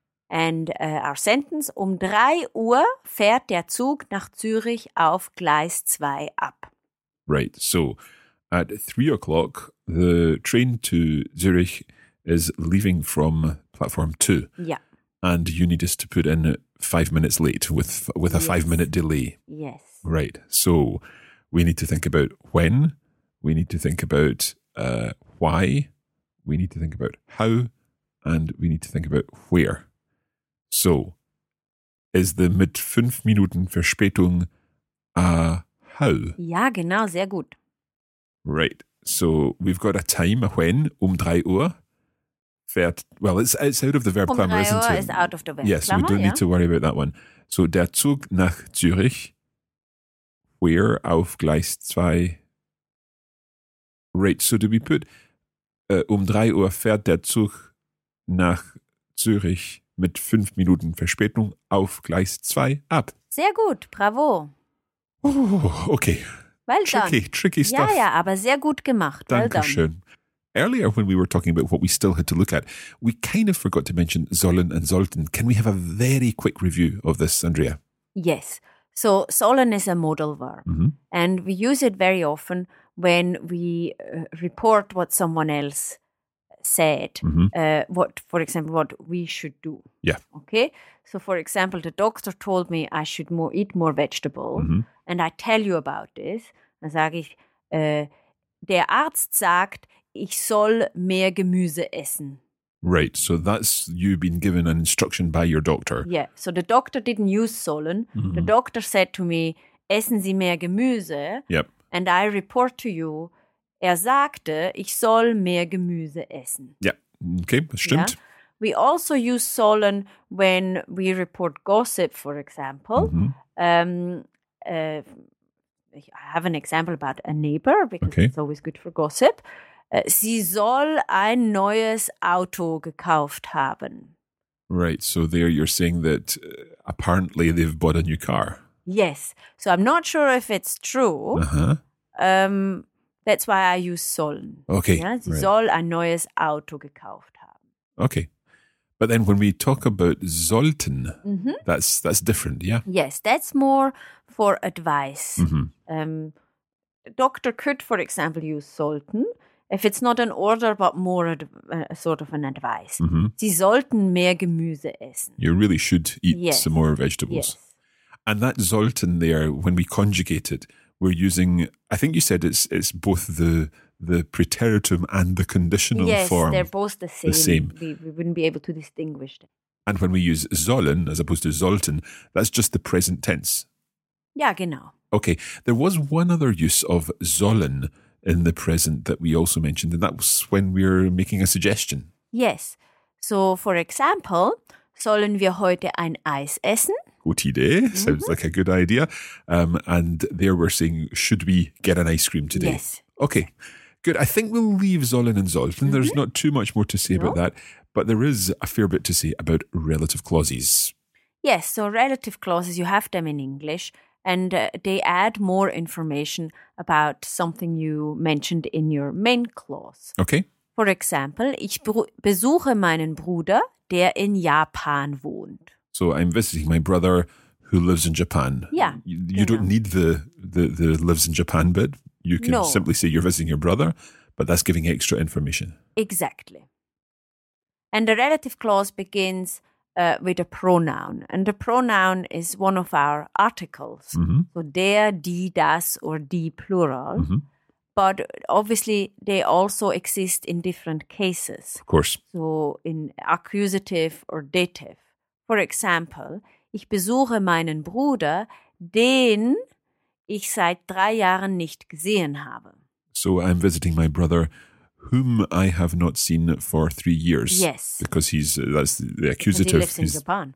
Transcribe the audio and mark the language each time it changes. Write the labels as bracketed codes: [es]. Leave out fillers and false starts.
[en] And our sentence, [de] 3 Uhr fährt der Zug nach Zürich auf Gleis 2 ab. [en] Right. So at 3 o'clock, the train to Zürich is leaving from platform 2. Yeah. And you need us to put in 5 minutes late with a yes. 5 minute delay. Yes. Right. So we need to think about when, we need to think about why, we need to think about how, and we need to think about where. So, is the [de] mit 5 Minuten Verspätung [en] a how? [de] Ja, genau, sehr gut. [en] Right. So, we've got a time, a when, 3 Uhr. Fährt, well, it's out of the verb klammer, isn't Uhr it? Is out of the verb yes, klammer, we don't yeah. need to worry about that one. So, [de] der Zug nach Zürich, [en] where [de] auf Gleis 2. [en] Right. So, do we put [de] 3 Uhr fährt der Zug nach Zürich? Mit 5 Minuten Verspätung auf Gleis 2 ab. Sehr gut, bravo. [en] Oh, okay. Well tricky, done. Tricky stuff. [de] Ja, ja, aber sehr gut gemacht. Dankeschön. [en] Well done. Earlier, when we were talking about what we still had to look at, we kind of forgot to mention sollen and sollten. Can we have a very quick review of this, Andrea? Yes. So, sollen is a modal verb. Mm-hmm. And we use it very often when we report what someone else said, mm-hmm. what we should do. Yeah. Okay. So, for example, the doctor told me I should eat more vegetables, mm-hmm. and I tell you about this. [de] Dann sage ich, der Arzt sagt, ich soll mehr Gemüse essen. [en] Right. So that's you being given an instruction by your doctor. Yeah. So the doctor didn't use sollen. Mm-hmm. The doctor said to me, [de] essen Sie mehr Gemüse. [en] Yep. And I report to you. [de] Er sagte, ich soll mehr Gemüse essen. Ja, okay, das stimmt. Ja. [en] We also use sollen when we report gossip, for example. Mm-hmm. I have an example about a neighbor, because okay. it's always good for gossip. [de] Sie soll ein neues Auto gekauft haben. [en] Right, so there you're saying that apparently they've bought a new car. Yes, so I'm not sure if it's true. Uh-huh. That's why I use sollen. Okay. [de] Ja, sie right. soll ein neues Auto gekauft haben. [en] Okay. But then when we talk about sollten, mm-hmm. that's different, yeah? Yes, that's more for advice. Mm-hmm. Doctor could, for example, use sollten if it's not an order, but more sort of an advice. Mm-hmm. [de] Sie sollten mehr Gemüse essen. [en] You really should eat yes. some more vegetables. Yes. And that sollten there, when we conjugate it, we're using, I think you said it's both the preteritum and the conditional yes, form. Yes, they're both the same. The same. We wouldn't be able to distinguish them. And when we use sollen as opposed to sollten, that's just the present tense. [de] Ja, genau. [en] Okay, there was one other use of sollen in the present that we also mentioned, and that was when we're making a suggestion. Yes. So, for example, [de] sollen wir heute ein Eis essen? [en] Today sounds mm-hmm. like a good idea. And there we're saying, should we get an ice cream today? Yes. Okay, good. I think we'll leave sollen and sollten. Mm-hmm. There's not too much more to say no. about that, but there is a fair bit to say about relative clauses. Yes, so relative clauses, you have them in English, and they add more information about something you mentioned in your main clause. Okay. For example, [de] ich besuche meinen Bruder, der in Japan wohnt. [en] So I'm visiting my brother who lives in Japan. Yeah. You don't need the lives in Japan bit. You can simply say you're visiting your brother, but that's giving extra information. Exactly. And the relative clause begins with a pronoun. And the pronoun is one of our articles. Mm-hmm. So der, die, das, or die plural. Mm-hmm. But obviously, they also exist in different cases. Of course. So in accusative or dative. For example, [de] ich besuche meinen Bruder, den ich seit 3 Jahren nicht gesehen habe. [en] So I'm visiting my brother, whom I have not seen for 3 years. Yes. Because that's the accusative. Because he lives in Japan.